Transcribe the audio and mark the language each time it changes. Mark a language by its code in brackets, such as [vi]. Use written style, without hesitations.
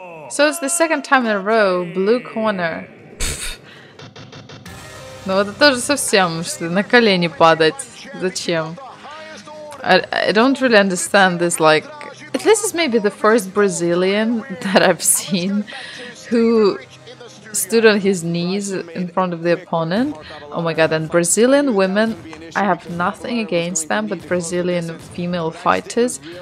[en] So it's the second time in a row, blue corner. [ru] Ну это тоже совсем, что на колени падать. Зачем? [en] I don't really understand this, like, this is maybe the first Brazilian that I've seen who stood on his knees in front of the opponent. Oh my god, and Brazilian women, I have nothing against them, but Brazilian female fighters,